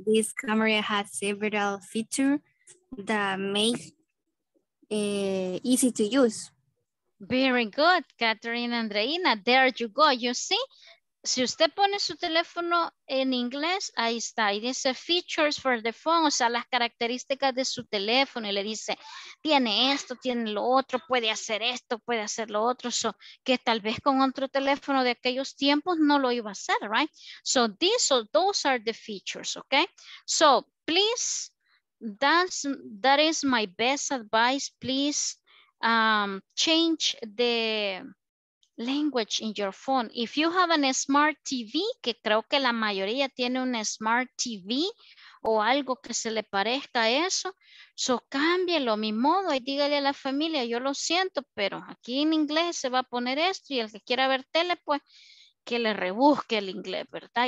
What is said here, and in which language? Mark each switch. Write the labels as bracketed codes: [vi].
[en] This camera has several features that make easy to use. Very good, Catherine Andreina. There you go, you see? [es] Si usted pone su teléfono en inglés, ahí está. Y dice [en] features for the phone, [es] o sea, las características de su teléfono. Y le dice, tiene esto, tiene lo otro, puede hacer esto, puede hacer lo otro. So, que tal vez con otro teléfono de aquellos tiempos no lo iba a hacer, [en] right? So, those are the features, okay? So, please... That is my best advice. Please change the language in your phone. If you have an smart TV, [es] que creo que la mayoría tiene un smart TV o algo que se le parezca a eso, so cámbielo, mi modo, y dígale a la familia, yo lo siento, pero aquí en inglés se va a poner esto, y el que quiera ver tele, pues, que le rebusque el inglés, ¿verdad?